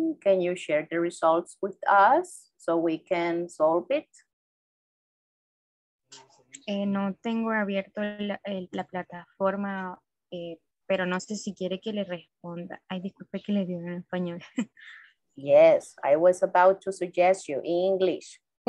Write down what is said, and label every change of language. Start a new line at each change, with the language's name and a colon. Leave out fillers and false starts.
English: Can you share the results with us so we can solve it?
Spanish: No tengo abierto la plataforma, pero no sé si quiere que le responda. Ay, disculpe que le diga en español.
English: Yes, I was about to suggest you in English.